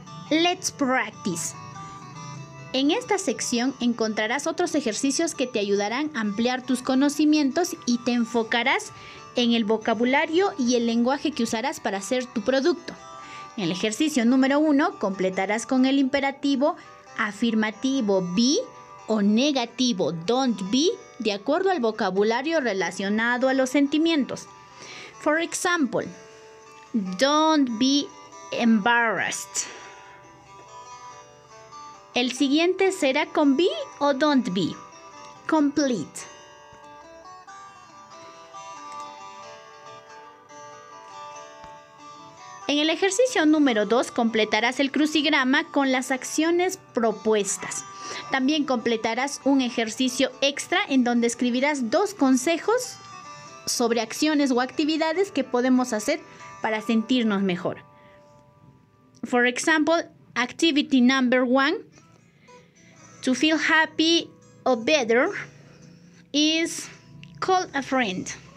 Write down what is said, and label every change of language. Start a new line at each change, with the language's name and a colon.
English: Let's practice.
Spanish: En esta sección encontrarás otros ejercicios que te ayudarán a ampliar tus conocimientos y te enfocarás en el vocabulario y el lenguaje que usarás para hacer tu producto. En el ejercicio número 1 completarás con el imperativo afirmativo be o negativo don't be de acuerdo al vocabulario relacionado a los sentimientos.
English: For example, don't be embarrassed.
Spanish: El siguiente será con be o don't be. Complete. En el ejercicio número 2 completarás el crucigrama con las acciones propuestas. También completarás un ejercicio extra en donde escribirás dos consejos sobre acciones o actividades que podemos hacer para sentirnos mejor.
English: For example, activity number 1, to feel happy or better, is call a friend.